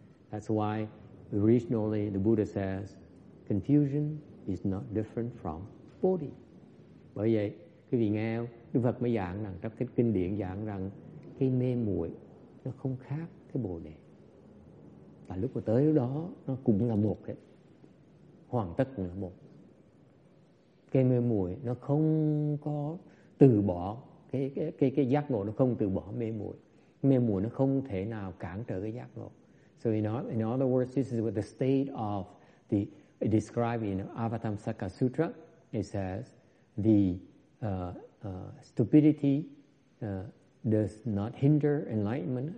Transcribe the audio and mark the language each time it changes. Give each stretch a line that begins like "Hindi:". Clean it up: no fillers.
English: That's why originally the Buddha says confusion is not different from Bodhi.
Vietnamese: Bởi vậy, quý vị nghe Đức Phật mới giảng rằng trong cái kinh điển giảng rằng cái mê muội nó không khác cái Bồ đề. Và lúc mà tới đó nó cũng là một hết. Hoàn tất cũng là một. Cái mê muội nó không có từ bỏ cái giác ngộ, nó không từ bỏ mê muội. Mê muội nó không thể nào cản trở cái giác ngộ.
English: So in other words, this is what the state of the described in Avatamsaka Sutra. It says the stupidity does not hinder enlightenment.